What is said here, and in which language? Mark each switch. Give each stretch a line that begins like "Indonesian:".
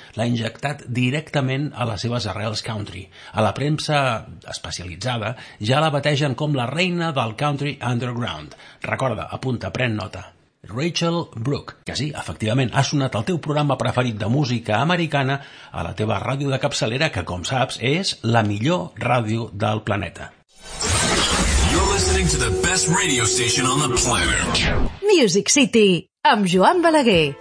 Catalan: L'ha injectat directament a les seves arrels country. A la premsa especialitzada ja la bategen com la reina del country underground. Recorda, apunta, pren nota. Rachel Brooke, que sí, efectivament, ha sonat el teu programa preferit de música americana a la teva ràdio de capçalera, que, com saps, és la millor ràdio del planeta.
English: Listening to the best radio station on the planet.
Catalan: Music City, amb Joan Balaguer.